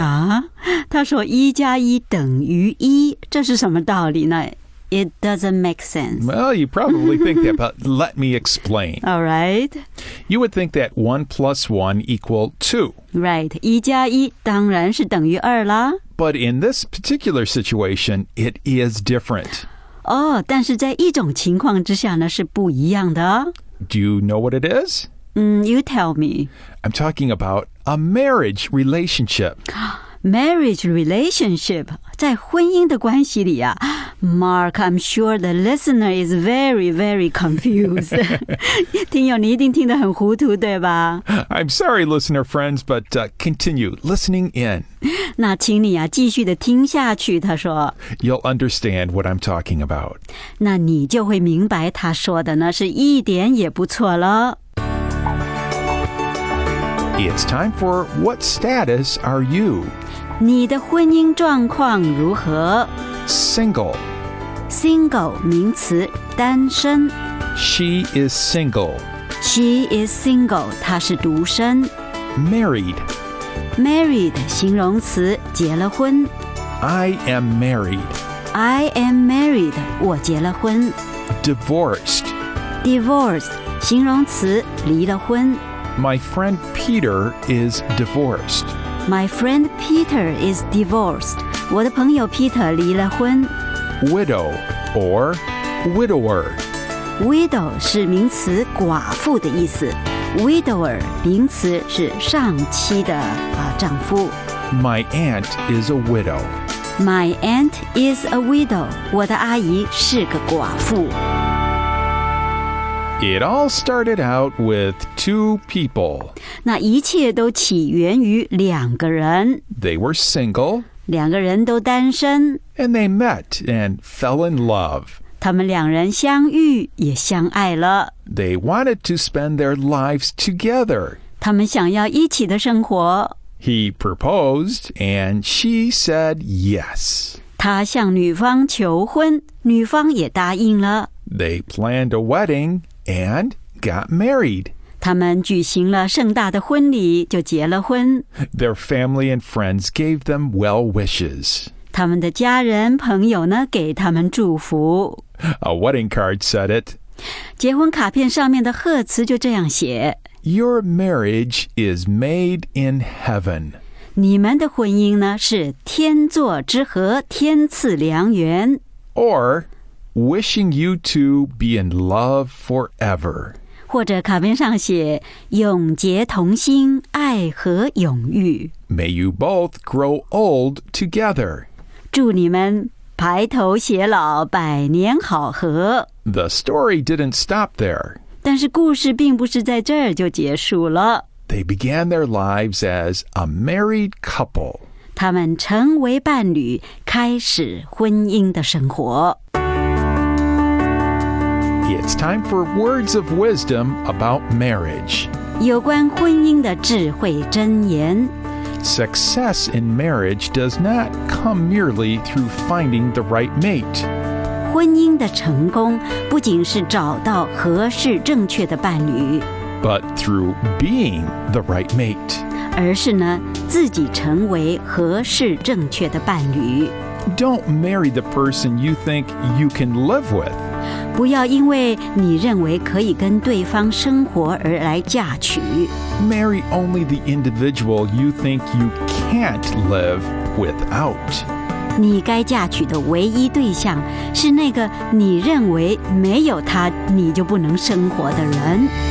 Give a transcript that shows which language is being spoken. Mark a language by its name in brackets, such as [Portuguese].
[Chinese] 啊，他说一加一等于一，这是什么道理呢？ [English] It doesn't make sense. Well, you probably think that, but let me explain. All right. You would think that 1 + 1 = 2. Right. [Chinese] 一加一当然是等于二啦。 [English] But in this particular situation, it is different. [Chinese] Oh, 但是在一种情况之下呢，是不一样的。 [English] Do you know what it is? You tell me. I'm talking about a marriage relationship. Marriage relationship, [Chinese] 在婚姻的关系里啊。 [English] Mark, I'm sure the listener is very, very confused. [Chinese] 听友，你一定听得很糊涂，对吧？ [English] I'm sorry, listener friends, but continue listening in. [Chinese] 那请你啊，继续的听下去，他说。 [English] You'll understand what I'm talking about. [Chinese] 那你就会明白他说的呢，是一点也不错了。 [English] It's time for What Status Are You? [Chinese] 你的婚姻状况如何？ [English] Single. [Chinese] Single, 名词，单身。 [English] She is single. She is single, [Chinese] 她是独身。 [English] Married. [Chinese] Married, 形容词，结了婚。 [English] I am married. I am married, [Chinese] 我结了婚。 [English] Divorced. [Chinese] Divorced, 形容词，离了婚。 [English] My friend Peter is divorced. My friend Peter is divorced. [Chinese] 我的朋友 Peter 离了婚。 [English] Widow or widower. [Chinese] Widow 是名词，寡妇的意思。Widower 名词是上妻的丈夫。 [English] My aunt is a widow. My aunt is a widow. [Chinese] 我的阿姨是个寡妇。 [English] It all started out with 2 people. [Chinese] 那一切都起源于两个人。 [English] They were single. [Chinese] 两个人都单身。 [English] And they met and fell in love. [Chinese] 他们两人相遇也相爱了。 [English] They wanted to spend their lives together. [Chinese] 他们想要一起的生活。 [English] He proposed and she said yes. [Chinese] 他向女方求婚，女方也答应了。 [English] They planned a wedding and got married. [Chinese] 他们举行了盛大的婚礼，就结了婚。 [English] Their family and friends gave them well wishes. [Chinese] 他们的家人朋友呢，给他们祝福。 [English] A wedding card said it. [Chinese] 结婚卡片上面的贺词就这样写。 [English] Your marriage is made in heaven. [Chinese] 你们的婚姻呢，是天作之合，天赐良缘。 [English] Or wishing you to be in love forever. [Chinese] 或者卡片上写永结同心，爱和永浴。 [English] May you both grow old together. [Chinese] 祝你们白头偕老，百年好合。 [English] The story didn't stop there. [Chinese] 但是故事并不是在这儿就结束了。 [English] They began their lives as a married couple. [Chinese] 他们成为伴侣，开始婚姻的生活。 [English] It's time for words of wisdom about marriage. [Chinese] 有关婚姻的智慧箴言。 [English] Success in marriage does not come merely through finding the right mate. [Chinese] 婚姻的成功不仅是找到合适正确的伴侣 [English] but through being the right mate， [Chinese] 而是呢自己成为合适正确的伴侣。 [English] Don't marry the person you think you can live with. [Chinese] 不要因为你认为可以跟对方生活而来嫁娶。 [English] Marry only the individual you think you can't live without. [Chinese] 你该嫁娶的唯一对象是那个你认为没有他你就不能生活的人。